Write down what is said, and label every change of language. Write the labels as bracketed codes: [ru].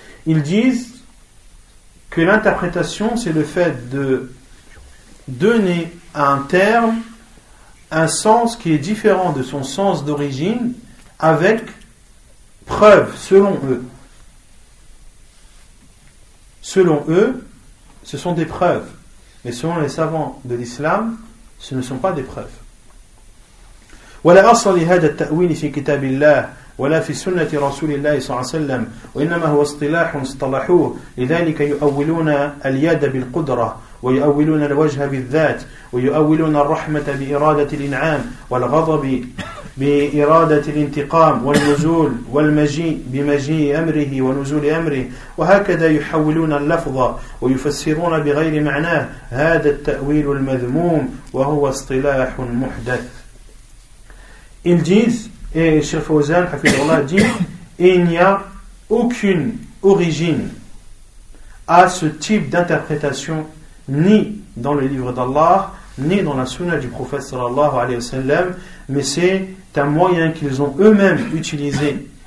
[fr] Ils disent que l'interprétation, c'est le fait de donner à un terme un sens qui est différent de son sens d'origine avec preuve, selon eux. Selon eux, ce sont des preuves. Mais selon les savants de l'islam, ce ne sont pas des preuves. [ar] وَلَا أَصْلَ لِهَدَ التَّأْوِيلِ فِي كِتَابِ اللَّهِ وَلَا فِي سُنَّةِ رَسُولِ اللَّهِ صَلَّى اللَّهُ عَلَيْهِ وَسَلَّمْ وَإِنَّمَا هُوَ اصْطِلَاحٌ اصْطَلَحُوهُ لِذَلِكَ يُؤَوِّلُونَ الْيَدَ بِالْقُدْرَةِ ويؤولون الوجه بالذات ويؤولون الرحمة بإرادة الإنعام والغضب بإرادة الانتقام والنزول والمجيء بمجيء أمره ونزول أمره وهكذا يحولون اللفظ ويفسرون بغير معناه هذا التأويل المذموم وهو اصطلاح محدث. [fr] Ils disent, et Cheikh Fawzan, hafidhahullah, dit, il n'y a aucune origine à ce type d'interprétation ni dans le livre d'Allah, ni dans la sunna du prophète sallallahu alayhi wa sallam, mais c'est un moyen qu'ils ont eux-mêmes utilisé.